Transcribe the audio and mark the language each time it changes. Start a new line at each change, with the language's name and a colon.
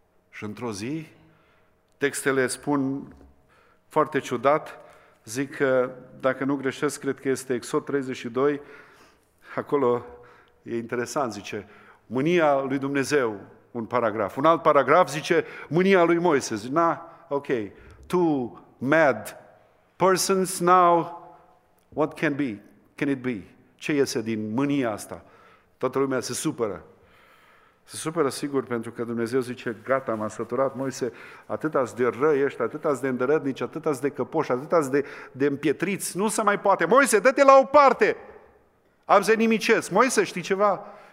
Romanian: Și într-o zi, textele spun foarte ciudat, zic că, dacă nu greșesc, cred că este Exod 32, acolo e interesant, zice, mânia lui Dumnezeu, un paragraf. Un alt paragraf zice, mânia lui Moise. Zice, na,
English: ok, two mad persons now, what can be? Can it be?
Romanian: Ce iese din mânia asta? Toată lumea se supără. Se supără, sigur, pentru că Dumnezeu zice, gata, m-a săturat, Moise, atâta-s de răi ești, atâta-s de îndărădnici, atâta-s de căpoși, atâta-s de împietriți, nu se mai poate. Moise, dă-te la o parte! Am să-i nimicesc. Moise, știi ceva?